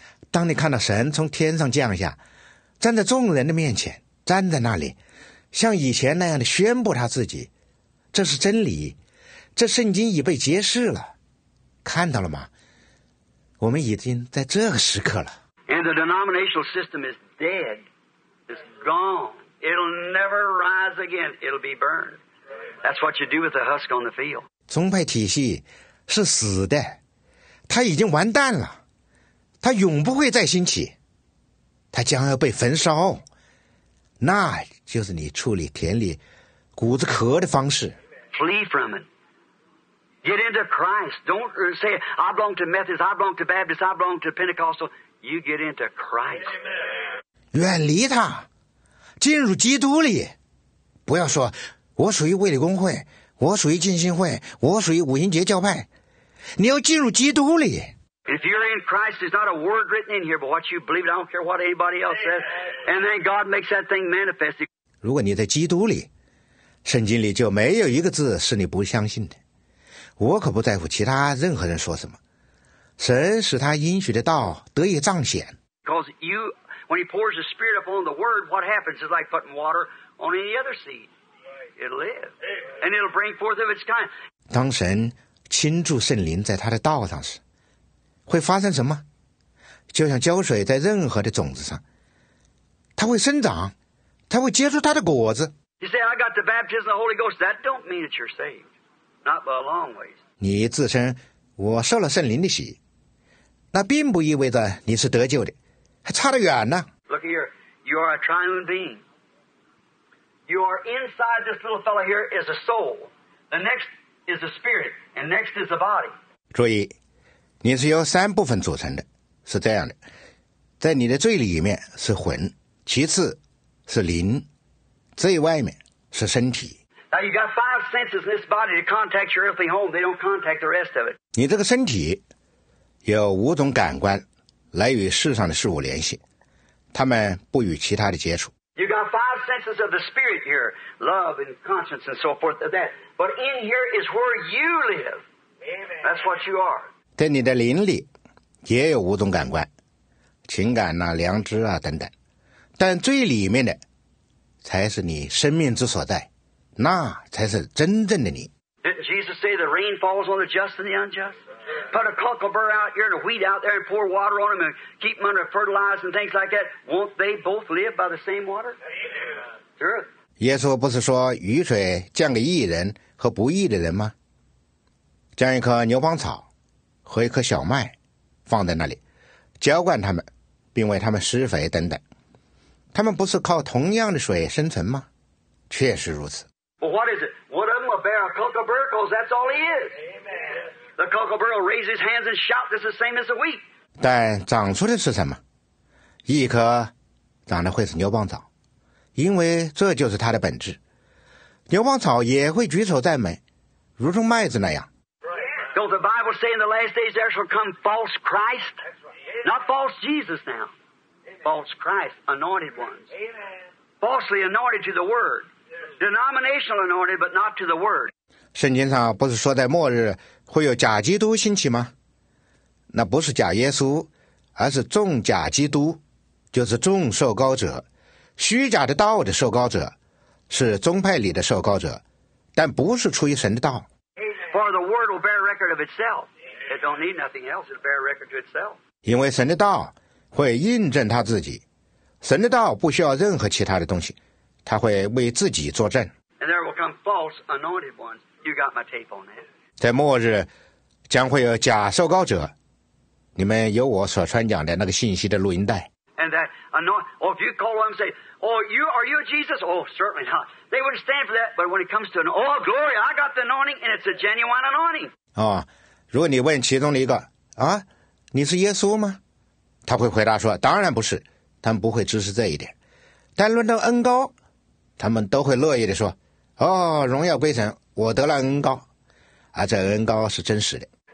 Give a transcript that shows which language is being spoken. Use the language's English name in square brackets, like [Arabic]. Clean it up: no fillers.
[Chinese] 当你看到神从天上降下，站在众人的面前，站在那里，像以前那样的宣布他自己，这是真理。这圣经已被揭示了，看到了吗？我们已经在这个时刻了。 [English] And the denominational system is dead. It's gone. It'll never rise again. It'll be burned. That's what you do with the husk on the field. [Chinese] 宗派体系是死的，它已经完蛋了，它永不会再兴起，它将要被焚烧。那就是你处理田里谷子壳的方式。 [English] Flee from it. Get into Christ. Don't say, I belong to Methodist, I belong to Baptist, I belong to Pentecostal. You get into Christ. [Chinese] 远离他，进入基督里。不要说，我属于卫理公会，我属于浸信会，我属于五旬节教派。你要进入基督里。 [English] If you're in Christ, there's not a word written in here, but what you believe, I don't care what anybody else says. And then God makes that thing manifest. [Chinese] 如果你在基督里，圣经里就没有一个字是你不相信的。我可不在乎其他任何人说什么，神使他应许的道得以彰显。 [English] Because you, when he pours the Spirit upon the Word, what happens is like putting water on any other seed. It'll live, and it'll bring forth of its kind. [Chinese] 当神倾注圣灵在他的道上时，会发生什么？就像浇水在任何的种子上，它会生长，它会结出它的果子。 [English] You say, I got the baptism of the Holy Ghost. That don't mean that you're saved. Not by a long ways. [Chinese] 你自称我受了圣灵的洗，那并不意味着你是得救的，还差得远呢。 [English] Look here, you are a triune being. You are inside this little fellow here is a soul. The next is a spirit, and next is a body. [Chinese] 注意，你是由三部分组成的，是这样的，在你的最里面是魂，其次是灵，最外面是身体。 [English] Now you got five senses in this body to contact your earthly home. They don't contact the rest of it. [Chinese] 你这个身体有五种感官来与世上的事物联系，他们不与其他的接触。 [English] You got five senses of the spirit here, love and conscience and so forth. That, but in here is where you live. Amen. That's what you are. [Chinese] 在你的灵里也有五种感官，情感啊、良知啊等等，但最里面的才是你生命之所在，那才是真正的你。 [English] Didn't Jesus say the rain falls on the just and the unjust? Put a cockle burr out here and a wheat out there and pour water on them and keep them under fertilized and things like that. Won't they both live by the same water? Sure. [Chinese] 耶稣不是说雨水降给义人和不义的人吗？将一棵牛蒡草和一棵小麦放在那里，浇灌它们，并为它们施肥等等。它们不是靠同样的水生存吗？确实如此。 [English] Well, what is it? One of them will bear a cockleburr, because that's all he is. Amen. The cockleburr will raise his hands and shout, "This is the same as the wheat." [Chinese] 但长出的是什么？一棵长得会是牛蒡草，因为这就是它的本质。牛蒡草也会举手赞美，如同麦子那样。 [English] Right. Don't the Bible say in the last days there shall come false Christ? That's right. Not false Jesus now. Amen. False Christ, anointed ones. Amen. Falsely anointed to the word. Denominational anointed, but not to the word. [Chinese] 圣经上不是说在末日会有假基督兴起吗？那不是假耶稣，而是众假基督，就是众受膏者，虚假的道的受膏者，是宗派里的受膏者，但不是出于神的道。 [English] For the word will bear record of itself. It don't need nothing else. It'll bear record to itself. [Chinese] 因为神的道会印证他自己，神的道不需要任何其他的东西，他会为自己作证。 [English] And there will come false anointed ones. You got my tape on that. [Chinese] 在末日将会有假受膏者，你们有我所传讲的那个信息的录音带。 [English] And that anointed, or if you call them and say, oh, are you Jesus? Oh, certainly not. They wouldn't stand for that, but when it comes to an, oh, glory, I got the anointing, and it's a genuine anointing. [Chinese] 哦，如果你问其中的一个，啊，你是耶稣吗？他会回答说，当然不是，他们不会支持这一点。但论到恩膏，他们都会乐意地说，哦，荣耀归神，我得了恩膏，而这恩膏是真实的。